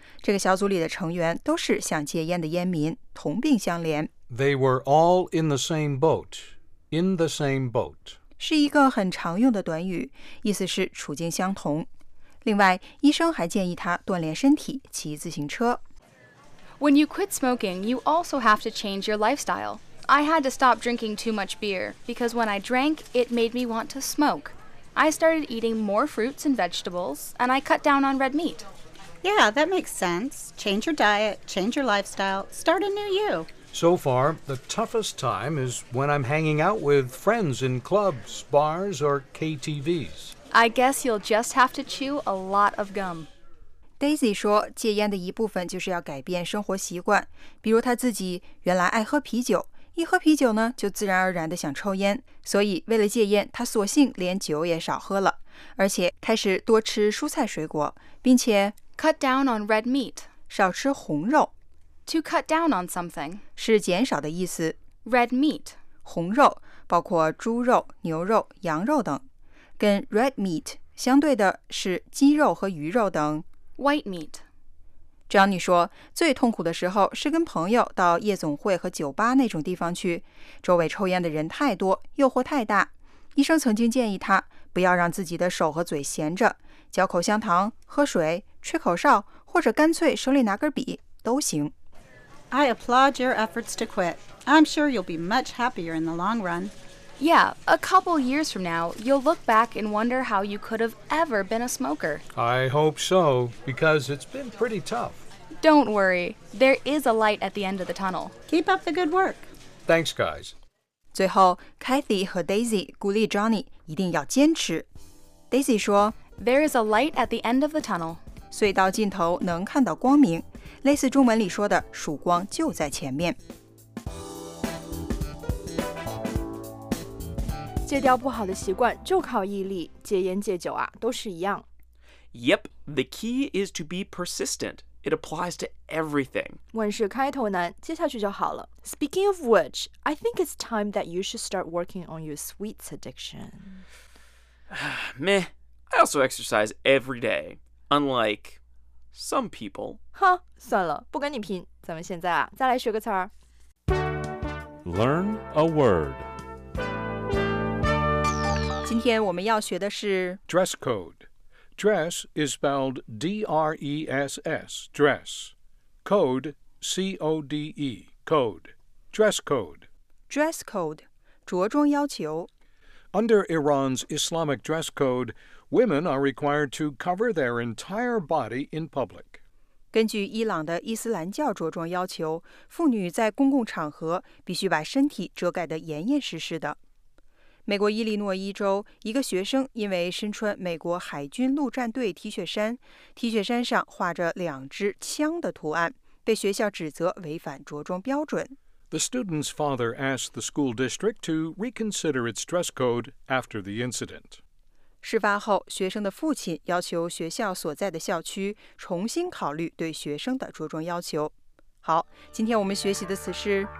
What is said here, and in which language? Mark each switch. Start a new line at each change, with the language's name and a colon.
Chinese: 这个小组里的成员都是想戒烟的烟民，同病相怜。
English: They were all in the same boat. In the same boat
Chinese: 是一个很常用的短语，意思是处境相同。另外，医生还建议他锻炼身体，骑自行车。
English: When you quit smoking, you also have to change your lifestyle. I had to stop drinking too much beer because when I drank, it made me want to smoke. I started eating more fruits and vegetables, and I cut down on red meat. Yeah, that makes sense. Change your diet, change your lifestyle, start a new you. So far, the toughest time is when I'm hanging out with friends in clubs, bars, or KTVs. I guess you'll just have to chew a lot of gum.
Chinese: Daisy 说戒烟的一部分就是要改变生活习惯比如她自己原来爱喝啤酒一喝啤酒呢就自然而然地想抽烟所以为了戒烟她索性连酒也少喝了而且开始多吃蔬菜水果并且
English: cut down on red meat
Chinese: 少吃红肉
English: to cut down on something
Chinese: 是减少的意思
English: red meat
Chinese: 红肉包括猪肉牛肉羊肉等跟 red meat 相对的是鸡肉和鱼肉等
English: White meat.
Chinese: Johnny 说最痛苦的时候是跟朋友到夜总会和酒吧那种地方去周围抽烟的人太多诱惑太大医生曾经建议他不要让自己的手和嘴闲着嚼口香糖喝水吹口哨或者干脆手里拿根笔都行
English: I applaud your efforts to quit I'm sure you'll be much happier in the long run Yeah, a couple years from now, you'll look back and wonder how you could have ever been a smoker. I hope so, because it's been pretty tough. Don't worry. There is a light at the end of the tunnel. Keep up the good work. Thanks, guys.
Chinese: 最后 ,Kathy 和 Daisy 鼓励 Johnny 一定要坚持。Daisy 说
English: ,There is a light at the end of the tunnel.
Chinese: 隧道尽头能看到光明。类似中文里说的曙光就在前面。戒掉不好的习惯就靠毅力，戒烟戒酒啊，都是一样。
English: Yep, the key is to be persistent. It applies to everything.
Chinese: 万事开头难，接下去就好了。
English: Speaking of which, I think it's time that you should start working on your sweets addiction. Meh, I also exercise every day, unlike some people.
Chinese: 哈，算了，不跟你拼，咱们现在啊，再来学个词儿。
English: Learn a word.
Chinese: 今天我们要学的是
English: dress code. Dress is spelled D-R-E-S-S, dress. Code, C-O-D-E, code. Dress code. Dress code,
Chinese: 着装要求。
English: Under Iran's Islamic dress code, women are required to cover their entire body in public.
Chinese: 根据伊朗的伊斯兰教着装要求，妇女在公共场合必须把身体遮盖得严严实实的。美国伊利诺伊州一个学生因为身穿美国海军陆战队 T 恤衫 T 恤衫上画着两支枪的图案被学校指责违反着装标准
English: The student's father asked the school district to reconsider its dress code after the incident
Chinese: 事发后学生的父亲要求学校所在的校区重新考虑对学生的着装要求好今天我们学习的词是